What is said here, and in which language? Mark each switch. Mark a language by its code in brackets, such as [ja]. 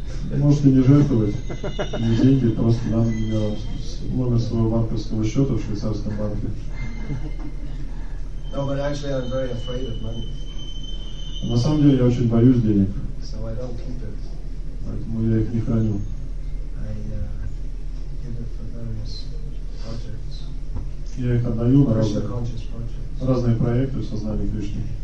[ru] Вы можете не жертвовать мне деньги, просто дам мне номер своего банковского счета в швейцарском банке. [en] No, but actually I'm very afraid of money. [ru] А на самом деле я очень боюсь денег. [en] So I don't keep it. [ru] Поэтому я их не храню. [en] Give it for various projects. [ru] Я их отдаю на разные проекты в сознании Кришны.